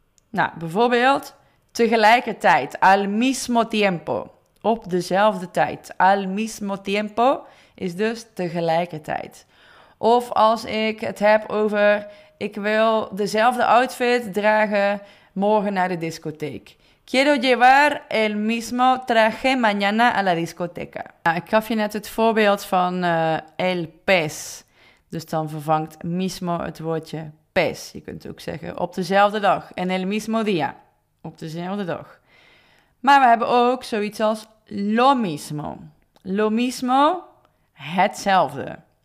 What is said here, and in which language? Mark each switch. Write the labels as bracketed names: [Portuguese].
[Dutch] Nou, bijvoorbeeld, tegelijkertijd, [Spanish] al mismo tiempo, [Dutch] op dezelfde tijd. Al mismo tiempo is dus tegelijkertijd. Of als ik het heb over, ik wil dezelfde outfit dragen morgen naar de discotheek. [Spanish] Quiero llevar el mismo traje mañana a la discoteca. [Dutch] Nou, ik gaf je net het voorbeeld van el pez. Dus dan vervangt mismo het woordje pez. Je kunt ook zeggen op dezelfde dag. [Spanish] En el mismo día. [Dutch] op dezelfde dag. Maar we hebben ook zoiets als lo mismo. Lo mismo, hetzelfde.